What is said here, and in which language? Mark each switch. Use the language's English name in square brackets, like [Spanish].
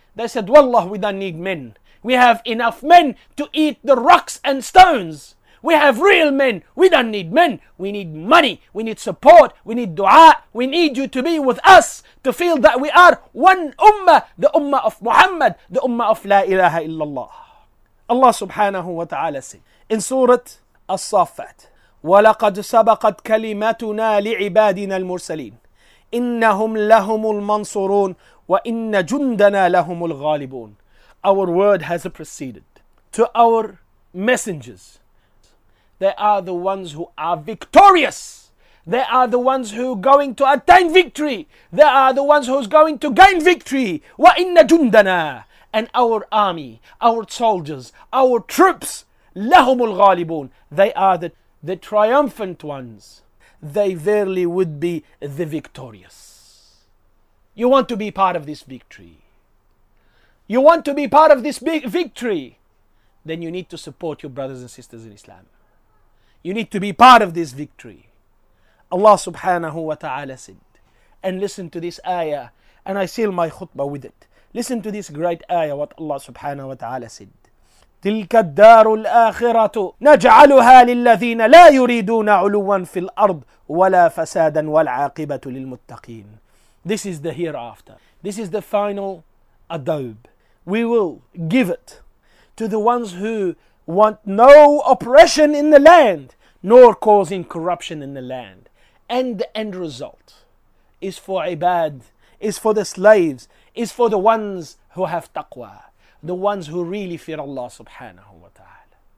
[English] They said, wallah, we don't need men. We have enough men to eat the rocks and stones. We have real men. We don't need men. We need money. We need support. We need dua. We need you to be with us to feel that we are one ummah, the ummah of Muhammad, the ummah of La ilaha illallah. Allah subhanahu wa ta'ala said in Surah As-Saffat, [Arabic] وَلَقَدْ سَبَقَتْ كَلِمَتُنَا لِعِبَادِنَا الْمُرْسَلِينَ إِنَّهُمْ لَهُمُ الْمَنْصُرُونَ وَإِنَّ جُنْدَنَا لَهُمُ الْغَالِبُونَ. [English] Our word has proceeded to our messengers. They are the ones who are victorious. They are the ones who are going to attain victory. They are the ones who are going to gain victory. [Arabic] وَإِنَّ جُنْدَنَا. [English] And our army, our soldiers, our troops, [Arabic] لَهُمُ الْغَالِبُونَ. [English] They are the triumphant ones. They verily would be the victorious. You want to be part of this victory. You want to be part of this big victory. Then you need to support your brothers and sisters in Islam. You need to be part of this victory. Allah subhanahu wa ta'ala said, and listen to this ayah, and I seal my khutbah with it. Listen to this great ayah, what Allah subhanahu wa ta'ala said. [Arabic] تلك الدار الآخرة نجعلها للذين لا يريدون علوا في الأرض ولا فسادا والعاقبة للمتقين. [English] This is the hereafter. This is the final adobe. We will give it to the ones who want no oppression in the land, nor causing corruption in the land. And the end result is for ibad, is for the slaves, is for the ones who have taqwa, the ones who really fear Allah subhanahu wa ta'ala.